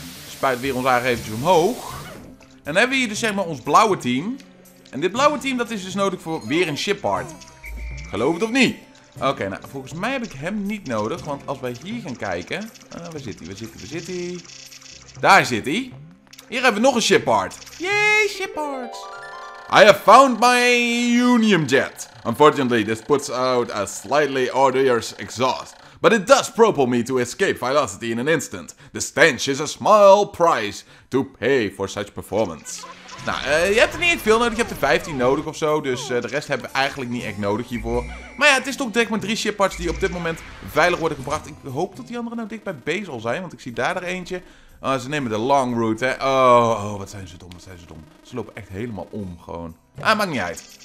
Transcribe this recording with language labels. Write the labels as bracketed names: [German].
[Dutch] Spuit weer ons aardig eventjes omhoog. En dan hebben we hier dus zeg maar ons blauwe team. En dit blauwe team, dat is dus nodig voor weer een ship part. Geloof het of niet? Oké, okay, nou, volgens mij heb ik hem niet nodig. Want als wij hier gaan kijken... waar zit hij? Waar zit hij? Waar zit hij? Daar zit hij. Hier hebben we nog een ship part. [English] Yay, ship parts. I have found my Union Jet. Unfortunately, this puts out a slightly odorous exhaust. But it does propel me to escape velocity in an instant. The stench is a small price to pay for such performance. [Dutch] Nou, je hebt er niet echt veel nodig. Je hebt er 15 nodig of zo. Dus de rest hebben we eigenlijk niet echt nodig hiervoor. Maar ja, het is toch direct met 3 ship parts die op dit moment veilig worden gebracht. Ik hoop dat die andere nou dicht bij B zal zijn. Want ik zie daar er eentje. Oh, ze nemen de long route, hè. Oh, oh, wat zijn ze dom, wat zijn ze dom. Ze lopen echt helemaal om, gewoon. Ah, maakt niet uit.